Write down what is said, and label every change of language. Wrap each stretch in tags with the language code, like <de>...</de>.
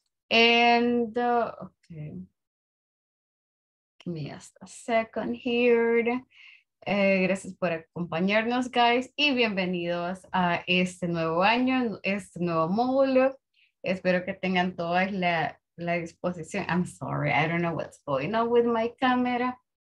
<en>And okay, give me just a second here.</en> <es>Gracias por acompañarnos, guys, y bienvenidos a este nuevo año, este nuevo módulo. Espero que tengan todas la disposición.</es> <en>I'm sorry, I don't know what's going on with my camera.</en>